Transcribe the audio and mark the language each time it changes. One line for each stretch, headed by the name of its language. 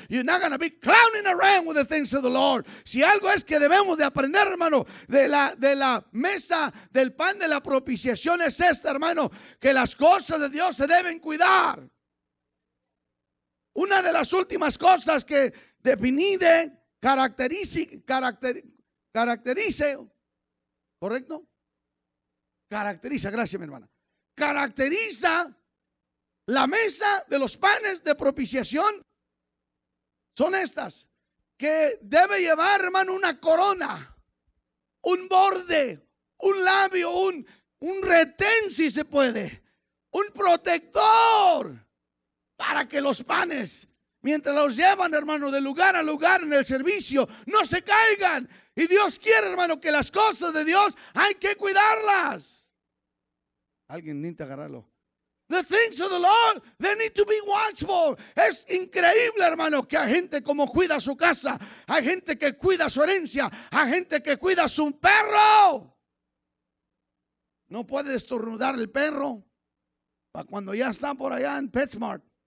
English: You're not going to be clowning around with the things of the Lord.
Spanish: Si algo es que debemos de aprender, hermano, de la mesa del pan de la propiciación, es esta, hermano: que las cosas de Dios se deben cuidar. Una de las últimas cosas que define, caracteriza la mesa de los panes de propiciación son estas: que debe llevar, hermano, una corona, un borde, un labio, un retén, si se puede, un protector, para que los panes, mientras los llevan, hermano, de lugar a lugar en el servicio, no se caigan. Y Dios quiere, hermano, que las cosas de Dios hay que cuidarlas. Alguien necesita agarrarlo.
English: The things of the Lord, they need to be watched for.
Spanish: Es increíble, hermano, que hay gente como cuida su casa. Hay gente que cuida su herencia. Hay gente que cuida su perro. No puede estornudar el perro para cuando ya está por allá en PetSmart.